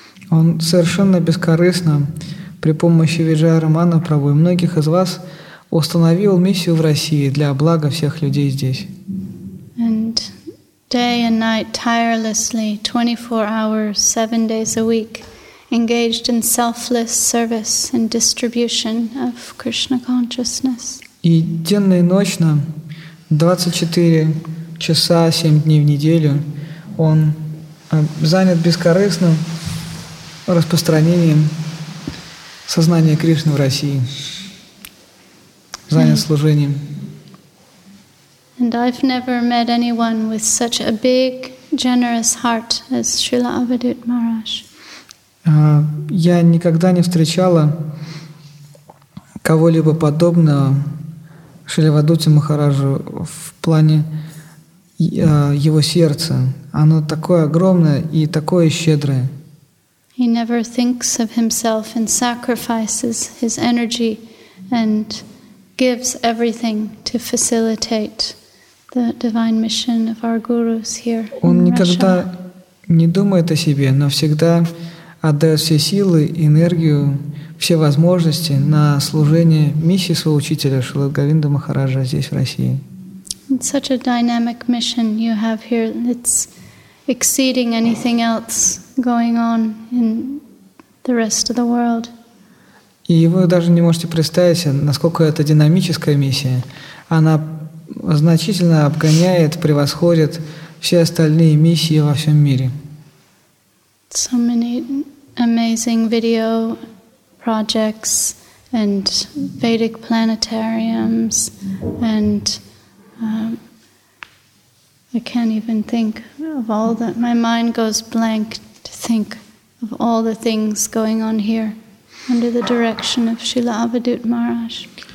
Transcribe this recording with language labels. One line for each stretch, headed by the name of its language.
Russian: Он совершенно бескорыстно при помощи Виджайарамана Прабху и многих из вас установил миссию в России для блага всех людей здесь.
English: And day and night, tirelessly, 24 hours, 7 days a week, engaged in selfless service and distribution of Krishna consciousness.
Russian: И денно и ночно, 24 часа, 7 дней в неделю, он занят бескорыстным распространением сознания Кришны в России, занят служением.
English: And I've never met anyone with such a big, generous heart as Srila Avadhut Maharaj.
Russian: Я никогда не встречала кого-либо подобного Шриле Авадхуте Махараджу в плане его сердца. Оно такое огромное и такое щедрое.
English: He never thinks of himself and sacrifices his energy and gives everything to facilitate the divine mission of our gurus here in
Russian: Russia. Он никогда не думает о себе, но всегда отдает все силы, энергию, все возможности на служение миссии своего учителя Шрилы Говинда Махараджа здесь, в России.
English: It's such a dynamic mission you have here. It's exceeding anything else going on in the rest of the world.
Russian: И вы даже не можете представить, насколько это динамическая миссия. Она значительно обгоняет, превосходит все остальные миссии во всем мире.
English: So many amazing video projects and Vedic planetariums and I can't even think of all that. My mind goes blank to think of all the things going on here under the direction of Srila Avadhut Maharaj.